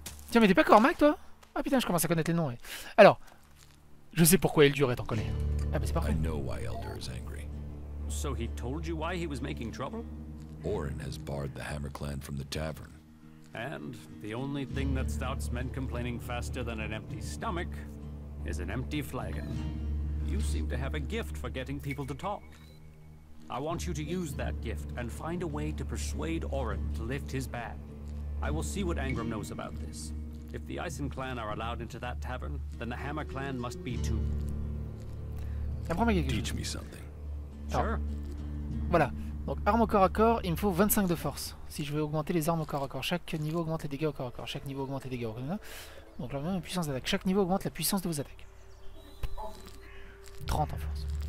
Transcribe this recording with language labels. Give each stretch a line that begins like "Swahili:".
French: Tiens, mais t'es pas Cormac toi? Ah putain, je commence à connaître les noms. Ouais. Alors, je sais pourquoi Eldur est en colère. Ah bah c'est parfait.
English: I know why Eldur is angry. So he told you why he was making trouble? Orin has barred the Hammer Clan from the tavern. And the only thing that stops men complaining faster than an empty stomach is an empty flagon. You seem to have a gift for getting people to talk. I want you to use that gift and find a way to persuade Orin to lift his ban. I will see what Angrim knows about this. If the Isen Clan are allowed into that tavern, then the Hammer Clan must be too. Teach me something.
French: Alors, voilà, donc arme au corps à corps, il me faut 25 de force. Si je veux augmenter les armes au corps à corps, chaque niveau augmente les dégâts au corps à corps. Chaque niveau augmente les dégâts au corps à corps. Donc la même puissance d'attaque. Chaque niveau augmente la puissance de vos attaques. 30 en force.